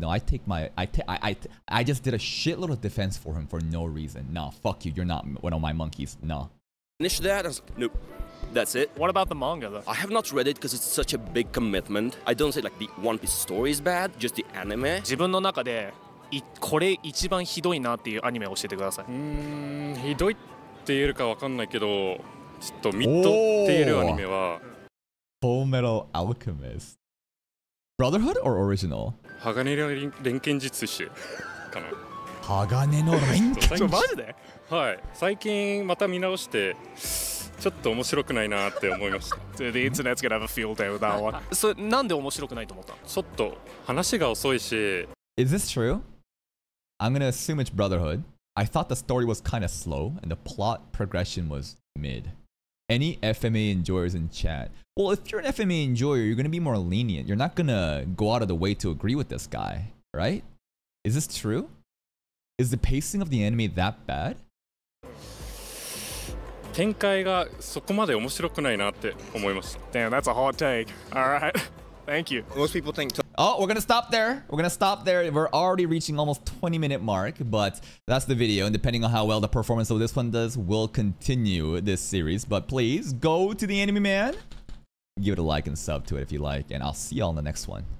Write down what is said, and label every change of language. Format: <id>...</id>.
<en>No, I just did a shitload of defense for him for no reason. Nah, fuck you. You're not one of my monkeys. Nah. Finish that? I was like, nope. That's it. What about the manga, though? I have not read it because it's such a big commitment. I don't say, like, the One Piece story is bad, just the anime.</en> <ja>自分の中で, これ一番ひどいなっていうアニメを教えてください。ひどいって言えるか分かんないけど, ちょっとミッドっていうアニメは…</ja> <en>Full Metal Alchemist. Brotherhood or original?</en> <ja>鋼の錬金術師かな? 鋼の錬金術師? はい、最近また見直して… ちょっと面白くないなって思いました。</ja> <en>The internet's gonna have a field day with that one.</en> <ja>So, なんで面白くないと思った? ちょっと話が遅いし…</ja> <en>Is this true? I'm gonna assume it's Brotherhood. I thought the story was kind of slow, and the plot progression was mid. Any FMA enjoyers in chat? Well, if you're an FMA enjoyer, you're gonna be more lenient. You're not gonna go out of the way to agree with this guy, right? Is this true? Is the pacing of the anime that bad?</en> <ja>展開がそこまで面白くないなって思いました。</ja> <en>Damn, that's a hot take. Alright, thank you. Most people think... We're gonna stop there. We're already reaching almost 20 minute mark, but that's the video. And depending on how well the performance of this one does, we'll continue this series. But please, go to the Anime Man. Give it a like and sub to it if you like, and I'll see y'all in the next one.</en>